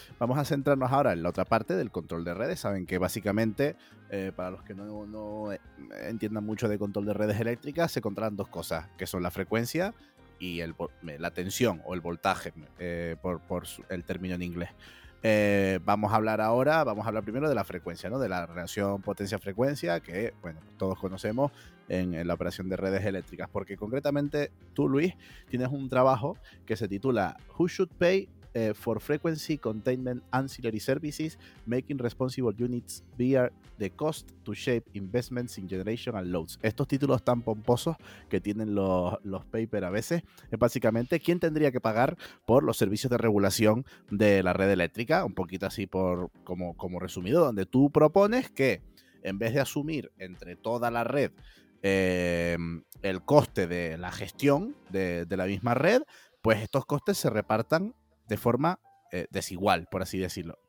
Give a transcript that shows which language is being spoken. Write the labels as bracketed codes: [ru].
[es] Vamos a centrarnos ahora en la otra parte del control de redes. Saben que básicamente, para los que no entiendan mucho de control de redes eléctricas, se controlan dos cosas, que son la frecuencia y la tensión o el voltaje, por el término en inglés. Vamos a hablar primero de la frecuencia, ¿no? De la relación potencia-frecuencia, que bueno, todos conocemos en la operación de redes eléctricas, porque concretamente tú, Luis, tienes un trabajo que se titula [en] Who Should Pay For frequency containment ancillary services, making responsible units bear the cost to shape investments in generation and loads. [es] Estos títulos tan pomposos que tienen los papers a veces, es básicamente quién tendría que pagar por los servicios de regulación de la red eléctrica, un poquito así por como resumido, donde tú propones que en vez de asumir entre toda la red el coste de la gestión de la misma red, pues estos costes se repartan de forma desigual, por así decirlo.